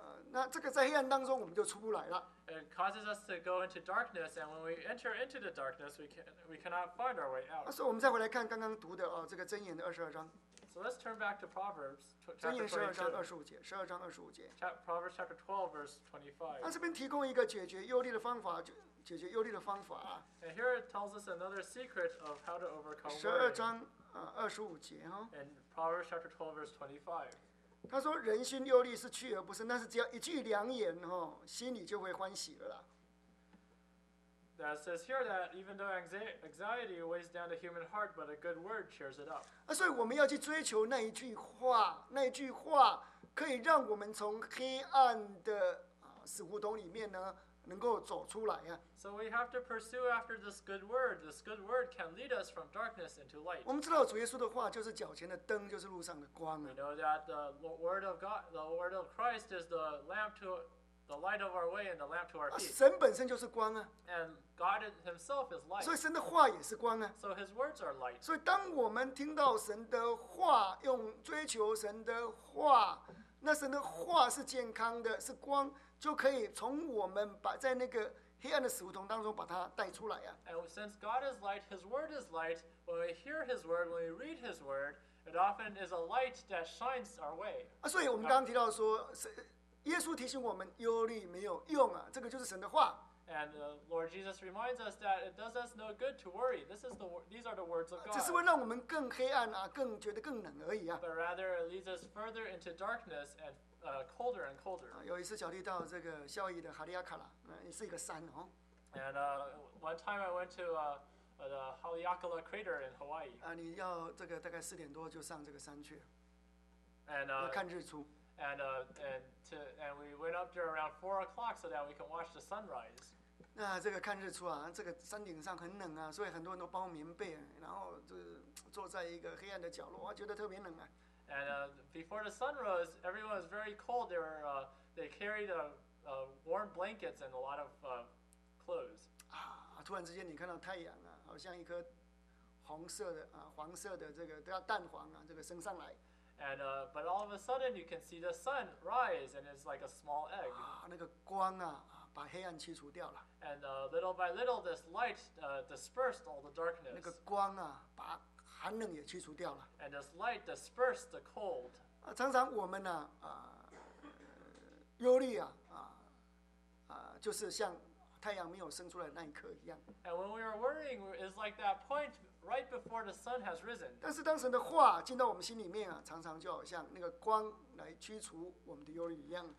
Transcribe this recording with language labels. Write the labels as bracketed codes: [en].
[zh] 那这个在黑暗当中我们就出不来了。 [en] It causes us to go into darkness, and when we enter into the darkness, we cannot find our way out. [zh] 所以我们再回来看刚刚读的这个箴言的二十二章。 [en] So let's turn back to Proverbs. [zh] 箴言十二章二十五节，十二章二十五节。 [en] Proverbs chapter 12 verse 25. [zh] 它这边提供一个解决忧虑的方法，解决忧虑的方法。 [en] And here it tells us another secret of how to overcome worry. [zh] 十二章二十五节哈。 [en] And Proverbs chapter 12 verse 25. [zh] 他说人心忧虑是去而不生，但是只要一句良言，心里就会欢喜了啦。 [en] That says here that even though anxiety weighs down the human heart, but a good word cheers it up. [zh] 所以我们要去追求那一句话，那一句话可以让我们从黑暗的死胡同里面呢，能够走出来啊。 [en] So we have to pursue after this good word. This good word can lead us from darkness into light. [zh] 我们知道主耶稣的话就是脚前的灯，就是路上的光啊。 [en] We know that the word of God, the word of Christ, is the lamp to the light of our way and the lamp to our feet. [zh] 神本身就是光啊。 [en] And God Himself is light. [zh] 所以神的话也是光啊。 [en] So His words are light. [zh] 所以当我们听到神的话，用追求神的话，那神的话是健康的，是光。就可以从我们把在那个黑暗的死胡同当中把它带出来呀。 [en] And since God is light, His word is light. When we hear His word, when we read His word, it often is a light that shines our way. [zh] 所以我们刚刚提到说，耶稣提醒我们忧虑没有用啊，这个就是神的话。 [en] And Lord Jesus reminds us that it does us no good to worry. This is the these are the words of God. [zh] 只是会让我们更黑暗啊，更觉得更冷而已啊。 [en] But rather it leads us further into darkness and. Colder and colder. [zh] 有一次小弟到这个夏威夷的哈利亚卡拉，也是一个山哦。 [en] And one time I went to the Haleakala Crater in Hawaii. [zh] 你要这个大概四点多就上这个山去。 [en] And [zh] 要看日出。 [en] And we went up there around 4 o'clock so that we can watch the sunrise. [zh] 那这个看日出啊，这个山顶上很冷啊，所以很多人都包棉被，然后就坐在一个黑暗的角落，觉得特别冷啊。 [en] And before the sun rose, everyone was very cold. They were they carried warm blankets and a lot of clothes. [zh] 突然之间你看到太阳啊，好像一颗红色的黄色的这个都要蛋黄啊，这个升上来。 [en] And but all of a sudden you can see the sun rise and it's like a small egg. [zh] 那个光啊，把黑暗驱除掉了。 [en] And little by little, this light dispersed all the darkness. [zh] 那个光啊，把寒冷也驱除掉了。 [en] And this light dispersed the cold. [zh] 常常我们呢，忧虑啊，就是像太阳没有升出来那一刻一样。 [en] And when we are worrying, it's like that point right before the sun has risen. [zh] 但是当神的话进到我们心里面啊，常常就好像那个光来驱除我们的忧虑一样。